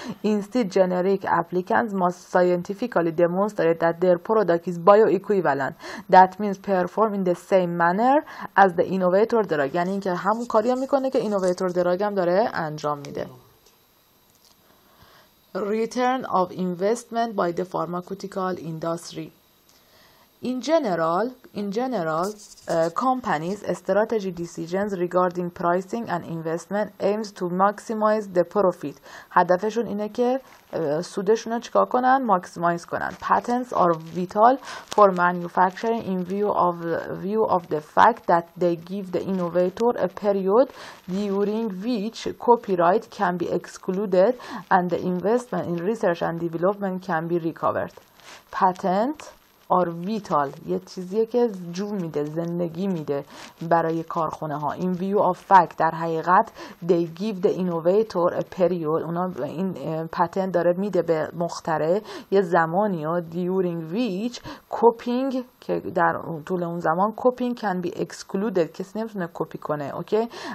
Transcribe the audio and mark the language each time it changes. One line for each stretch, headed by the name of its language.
English: instead generic applicants must scientifically demonstrate that their product is bioequivalent that means perform in the same manner as the innovator drug
Persian: یعنی اینکه همون کاری هم میکنه که innovator drug هم داره انجام میده
English: return of investment by the pharmaceutical industry In general, companies' strategy decisions regarding pricing and investment aims to maximize the profit.
Persian: هدفشون اینه که سودشون رو چیکار کنن؟ ماکسیمایز کنن.
English: Patents are vital for manufacturing in view of the fact that they give the innovator a period during which copyright can be excluded and the investment in research and development can be recovered.
Persian: Patent آر ویتال یه چیزیه که جون میده زندگی میده برای کارخونه ها این ویو آف فکت در حقیقت
English: they give the innovator a period
Persian: اونا این پتنت داره میده به مخترع یه زمانی ها
English: during which copying
Persian: که در طول اون زمان
English: copying can be excluded
Persian: کسی نمیتونه کپی کنه
English: okay?